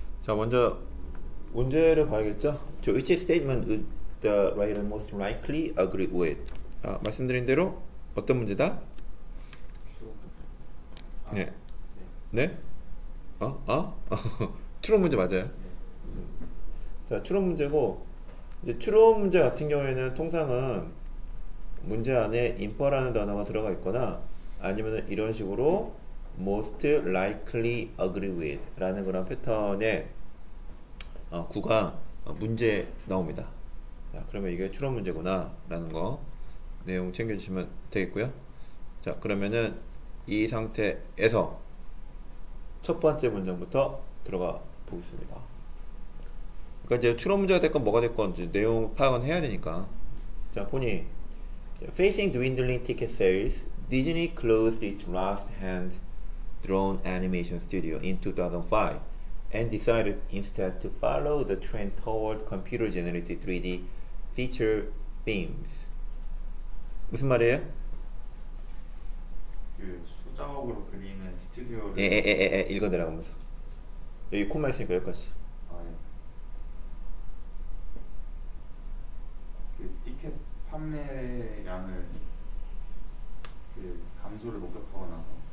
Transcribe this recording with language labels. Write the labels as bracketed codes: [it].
[ko] 자, 먼저 문제를 봐야겠죠? [en] To which statement would the writer most likely agree with? [ko] 아, 말씀드린 대로 어떤 문제다? 네. 네? 어? 어? 추론 문제 맞아요. 자, 추론 문제고, 이제 추론 문제 같은 경우에는 통상은 문제 안에 infer라는 단어가 들어가 있거나 아니면은 이런 식으로 [en] most likely agree with [ko] 라는 그런 패턴의 구가 문제 나옵니다. 자, 그러면 이게 추론 문제구나라는 거 내용 챙겨주시면 되겠고요. 자, 그러면은 이 상태에서 첫 번째 문장부터 들어가 보겠습니다. 그러니까 이제 추론 문제가 됐건 뭐가 됐건 이제 내용 파악은 해야 되니까. [en] 자, 보니 Facing dwindling ticket sales, Disney closed its last hand-drawn animation studio in 2005. And decided instead to follow the trend toward computer-generated 3D feature themes. [ko] 무슨 말이에요? 그 수작업으로 그리는 스튜디오를 에에에에에 읽어내라 하면서 여기 콤마 있으니까 여기까지. 그 티켓 판매량을 그 감소를 목격하고 나서